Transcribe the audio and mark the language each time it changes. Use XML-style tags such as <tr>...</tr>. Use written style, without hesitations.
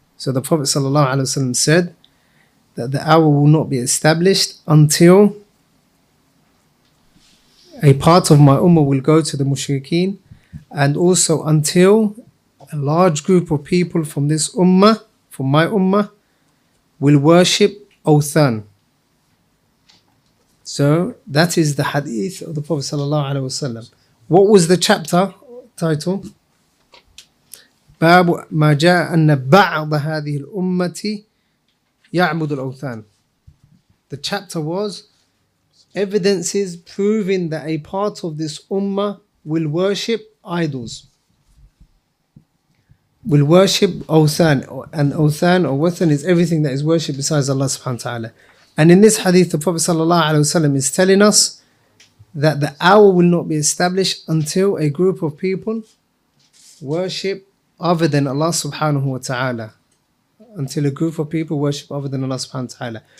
<en>So the Prophet sallallahu alaihi wasallam said that the hour will not be established until a part of my ummah will go to the mushrikeen, and also until a large group of people from this ummah, from my ummah, will worship Authan. So that is the hadith of the Prophet sallallahu alaihi wasallam. What was the chapter title?</en> <ar>باب ما جاء أن بعض هذه الأمة يعبد الأوثان.</ar> <en>The chapter was evidences proving that a part of this ummah will worship idols, will worship أوثان. And أوثان or وثن is everything that is worshipped besides Allah subhanahu wa ta'ala. And in this hadith, the Prophet sallallahu alaihi wasallam is telling us that the hour will not be established until a group of people worship other than Allah subhanahu wa ta'ala, until a group of people worship other than Allah subhanahu wa ta'ala.</en>